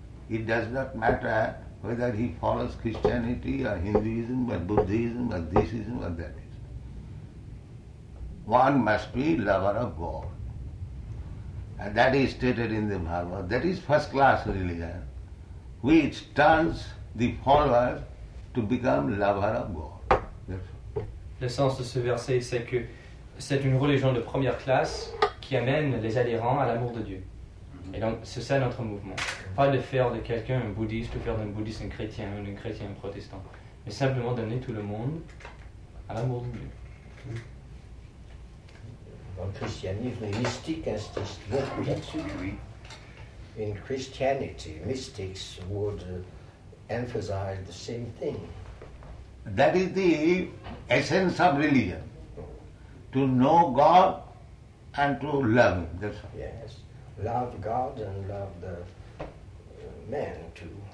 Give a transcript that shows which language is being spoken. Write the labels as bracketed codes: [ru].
[en] It does not matter whether he follows Christianity or Hinduism or Buddhism or thisism or that is. One must be lover of God. And that is stated in the Bhagavad. That is first class religion, which turns the followers to become lover of God. [fr] L'essence de ce verset, c'est que c'est une religion de première classe qui amène les adhérents à l'amour de Dieu. Et donc, c'est ça notre mouvement. Pas de faire de quelqu'un un bouddhiste ou faire d'un bouddhiste un chrétien ou d'un chrétien un protestant. Mais simplement d'amener tout le monde à l'amour de Dieu. Dans le christianisme, les mystiques insistent beaucoup là-dessus. Oui. [en] In Christianity, mystics would emphasize the same thing. That is the essence of religion. To know God and to love Him. That's all. Yes. Love God and love the man too.